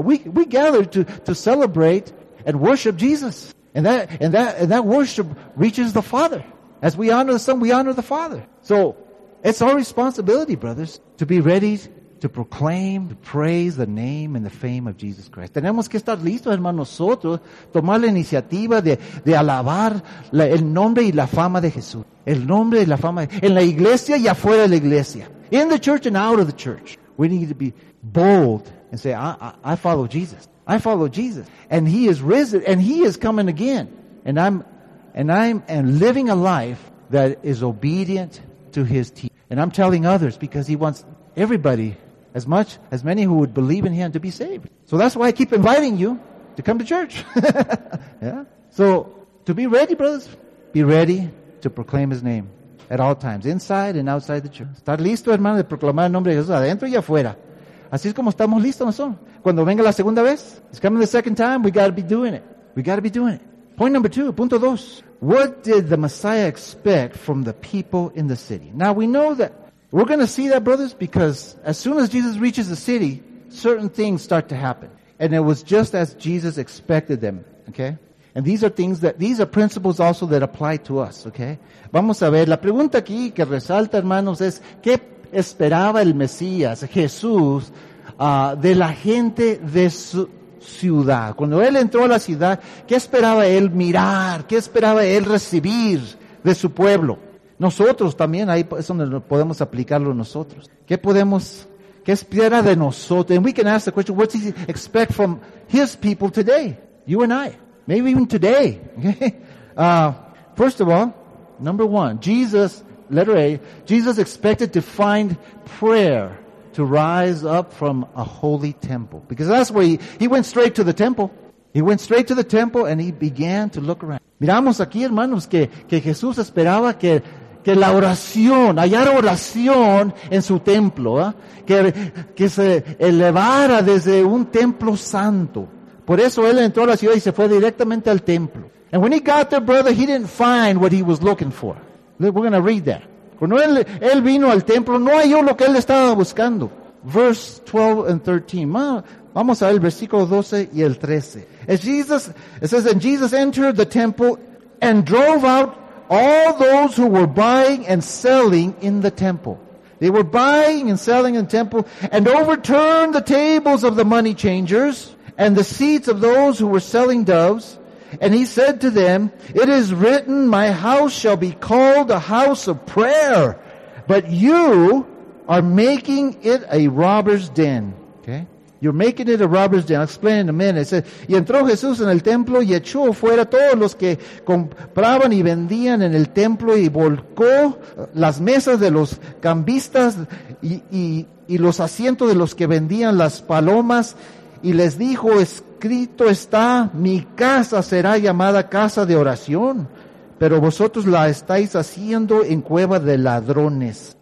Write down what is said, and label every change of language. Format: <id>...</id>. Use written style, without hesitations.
<en>We gather to celebrate and worship Jesus. And that worship reaches the Father. As we honor the Son, we honor the Father. So, it's our responsibility, brothers, to be ready to proclaim, to praise the name and the fame of Jesus Christ.</en> <es>Tenemos que estar listos, hermanos, nosotros, tomar la iniciativa de alabar el nombre y la fama de Jesús. El nombre y la fama en la iglesia y afuera de la iglesia.</es> <en>In the church and out of the church. We need to be bold and say, I follow Jesus. I follow Jesus. And He is risen and He is coming again. And I'm living a life that is obedient to His teaching. And I'm telling others because He wants everybody, as many who would believe in Him, to be saved. So that's why I keep inviting you to come to church. Yeah. So to be ready, brothers, be ready to proclaim His name at all times, inside and outside the church.</en> <es>Estar listo, hermano, de proclamar el nombre de Jesús adentro y afuera. Así es como estamos listos nosotros. Cuando venga la segunda vez,</es> <en>He's coming the second time, we got to be doing it. We got to be doing it. Point number two,</en> <es>punto dos.</es> <en>What did the Messiah expect from the people in the city? Now we know that, we're going to see that, brothers, because as soon as Jesus reaches the city, certain things start to happen. And it was just as Jesus expected them, okay? And these are principles also that apply to us, okay?</en> <es>Vamos a ver, la pregunta aquí que resalta, hermanos, es, ¿qué esperaba el Mesías, Jesús, de la gente de su ciudad? Cuando él entró a la ciudad, ¿qué esperaba él mirar? ¿Qué esperaba él recibir de su pueblo? Nosotros también, ahí es donde podemos aplicarlo nosotros. ¿Qué espera de nosotros?</es> <en>And we can ask the question, what does he expect from his people today? You and I. Maybe even today. Okay? First of all, number one, Jesus, letter A, Jesus expected to find prayer to rise up from a holy temple. Because that's where he went straight to the temple. He went straight to the temple and he began to look around.</en> <es>Miramos aquí, hermanos, que Jesús esperaba que que la oración, hallar oración en su templo, que se elevara desde un templo santo. Por eso él entró a la ciudad y se fue directamente al templo.</es> <en>And when he got there, brother, he didn't find what he was looking for. We're going to read that.</en> <es>Cuando él vino al templo, no halló lo que él estaba buscando.</es> <en>Verse 12 and 13.</en> <es>Vamos a ver el versículo 12 y el 13.</es> <en>It says, and Jesus entered the temple and drove out all those who were buying and selling in the temple. They were buying and selling in the temple and overturned the tables of the money changers and the seats of those who were selling doves. And he said to them, it is written, my house shall be called a house of prayer, but you are making it a robber's den. Okay? You're making it a robber's den. I'll explain in a minute. It says,</en> <es>y entró Jesús en el templo y echó fuera todos los que compraban y vendían en el templo y volcó las mesas de los cambistas y los asientos de los que vendían las palomas y les dijo, escrito está, mi casa será llamada casa de oración, pero vosotros la estáis haciendo en cueva de ladrones.</es>